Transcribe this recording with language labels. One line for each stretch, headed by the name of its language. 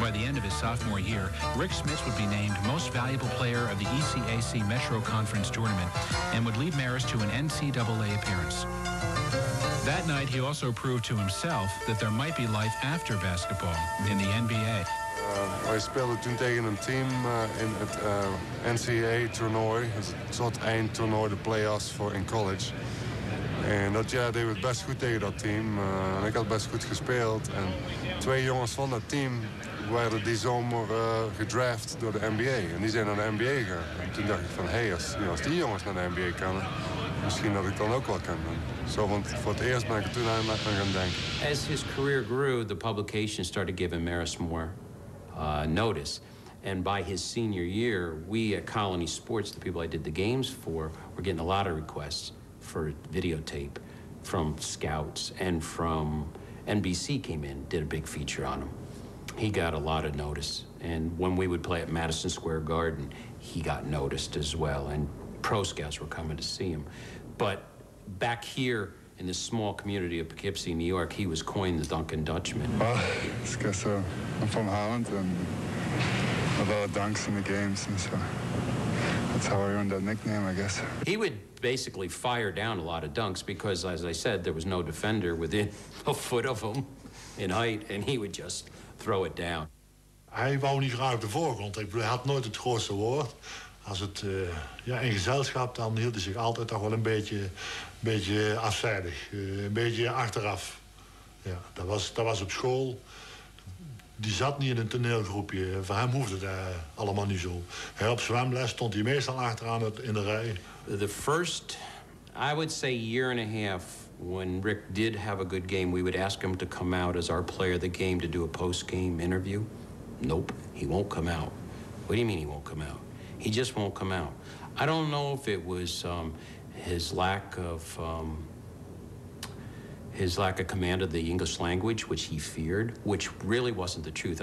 English: By the end of his sophomore year, Rik Smits would be named Most Valuable Player of the ECAC Metro Conference Tournament and would lead Marist to an NCAA appearance. That night, he also proved to himself that there might be life after basketball in the NBA.
Dutch: Wij speelden toen tegen een team in het NCAA-toernooi, een soort eindtoernooi, de play-offs voor in college. En dat jaar deden we het best goed tegen dat team. En ik had best goed gespeeld. En twee jongens van dat team werden die zomer gedraft door de NBA. En die zijn naar de NBA gegaan. En toen dacht ik van, hey, als die jongens naar de NBA kunnen, misschien dat ik dan ook wel kan. Zo, want voor het eerst ben ik er toen aan gaan denken.
English: As his career grew, the publication started giving Maris more notice. And by his senior year, we at Colony Sports, the people I did the games for, were getting a lot of requests for videotape from scouts, and from NBC came in, did a big feature on him. He got a lot of notice. And when we would play at Madison Square Garden, he got noticed as well. And pro scouts were coming to see him. But back here in this small community of Poughkeepsie, New York, he was coined the Duncan Dutchman. Well, it's because I'm from Holland, and with all the dunks in the games, and so that's how I earned that nickname, I guess. He would basically fire down a lot of dunks because, as I said, there was no defender within a foot of him in height, and he would just throw it down.
Dutch: Hij wou niet graag op de voorgrond. Hij had nooit het grootste woord. Als het in gezelschap, dan hield hij zich altijd toch wel een beetje afzijdig, een beetje achteraf. Ja, dat was op school. Die zat niet in een toneelgroepje. Voor hem hoefde dat allemaal niet zo. Hij op zwemles stond hij meestal achteraan in de rij.
English: The first, I would say, year and a half, when Rik did have a good game, we would ask him to come out as our player of the game to do a post-game interview. Nope, he won't come out. What do you mean he won't come out? He just won't come out. I don't know if it was his lack of command of the English language, which he feared, which really wasn't the truth.